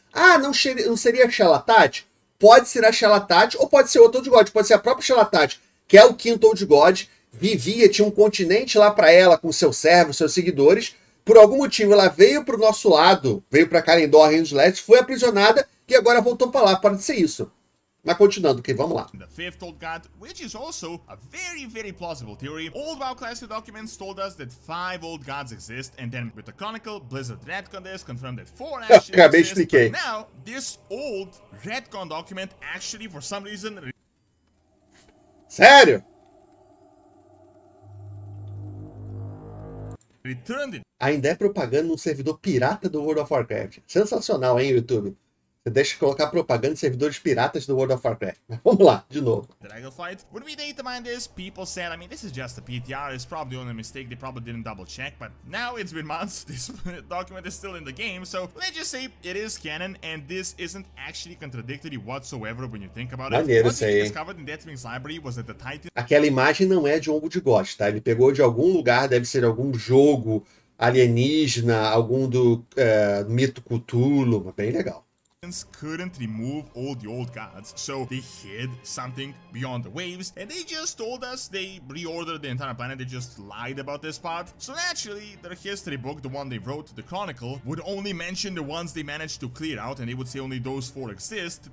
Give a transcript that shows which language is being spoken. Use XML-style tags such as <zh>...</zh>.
<pt>Ah, não seria Xel'Thad? Pode ser a Xel'Thad ou pode ser outro Old God. Pode ser a própria Xel'Thad, que é o quinto Old God. Vivia, tinha um continente lá pra ela, com seus servos, seus seguidores. Por algum motivo, ela veio pro nosso lado, veio pra Kalimdor, Reino dos Leste, foi aprisionada e agora voltou pra lá. Pode ser isso. Mas continuando, que vamos lá.</pt> <en>The fifth old god, which is also a very, very plausible theory. Old WoW classic documents told us that 5 old gods exist, and then with the Chronicle, Blizzard retcon this confirmed that 4 actually exist.</en> <pt>Expliquei.</pt> <en>But now, this old retcon document actually, for some reason...</en> <pt>Sério?</pt> <en>Returned it.</en> <pt>Ainda é propaganda num servidor pirata do World of Warcraft. Sensacional, hein, YouTube? Deixa eu colocar propaganda de servidores piratas do World of Warcraft. Vamos lá, de novo.</pt> <en>Dragonflight. When we determined this, people said, I mean, this is just a PTR. It's probably only a mistake. They probably didn't double check. But now it's been months. This document is still in the game. So let's just say it is canon. And this isn't actually contradictory whatsoever when you think about it.</en> <pt>Maneiro isso aí.</pt> <en>What we discovered in Deathwing's library was that the Titan...</en> <pt>Aquela imagem não é de um Old God, tá? Ele pegou de algum lugar, deve ser algum jogo alienígena, algum do mito Cthulhu. Bem legal.</pt> <en>Couldn't remove all the old gods, so they hid something beyond the waves, and they just told us they reordered the entire planet. They just lied about this part. So naturally, their history book, the one they wrote, the Chronicle, would only mention the ones they managed to clear out, and they would say only those 4 exist.</en>